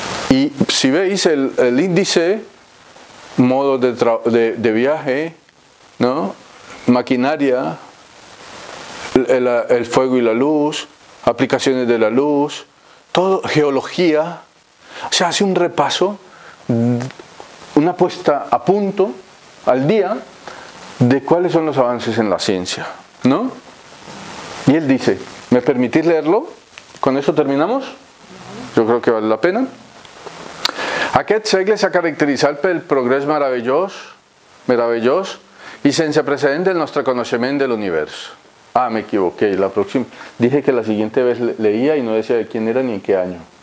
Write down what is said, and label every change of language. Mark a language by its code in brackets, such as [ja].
[es] Y si veis el índice, modo de viaje, ¿no?, maquinaria, el fuego y la luz, aplicaciones de la luz, todo, geología, o sea, hace un repaso, una puesta a punto, al día, de cuáles son los avances en la ciencia, ¿no? Y él dice, ¿me permitís leerlo? ¿Con eso terminamos? Yo creo que vale la pena. [ca] Aquest segle s'ha caracteritzat pel progrés meravellós i sense precedent del nostre coneixement de l'univers. [es] Ah, me equivoqué. La próxima. Dije que la siguiente vez leía y no decía de quién era ni en qué año.